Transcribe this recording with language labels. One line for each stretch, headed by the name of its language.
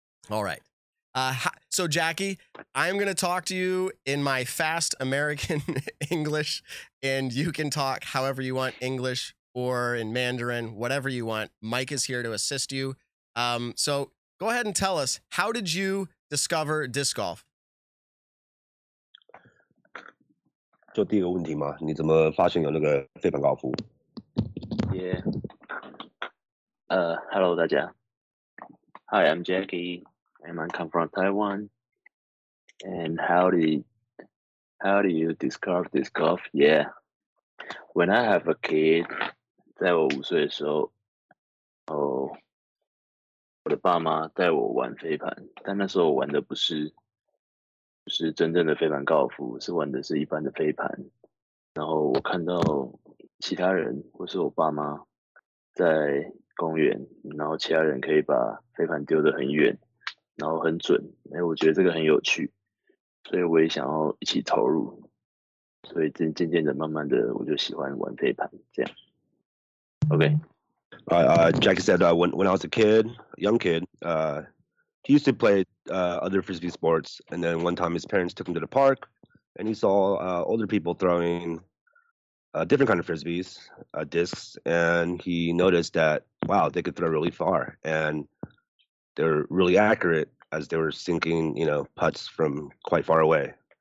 English: All right. So, Jackie, I'm going to talk to you in my fast American English, and you can talk however you want, English or in Mandarin, whatever you want. Mike is here to assist you. So go ahead and tell us, how did you discover disc golf?
Chinese: 就第一个问题嘛, 你怎么发现有那个飞盘高尔夫?
English: Yeah. Hello,
Chinese: 大家.
English: Hi, I'm Jackie. And I come from Taiwan. And how do you discover this golf? Yeah. When I have a kid,
Chinese: 在我5岁的时候，我的爸妈带我玩飞盘，但那时候我玩的不是真正的飞盘高尔夫，是玩的是一般的飞盘。然后我看到其他人或是我爸妈在公园，然后其他人可以把飞盘丢得很远，然后很准。哎，我觉得这个很有趣，所以我也想要一起投入。所以渐渐的、慢慢的，我就喜欢玩飞盘这样。
English: Okay. Jackie said when I was a young kid, he used to play other frisbee sports, and then one time his parents took him to the park and he saw older people throwing different kind of frisbees, discs, and he noticed that, wow, they could throw really far and they're really accurate as they were sinking, you know, putts from quite far away.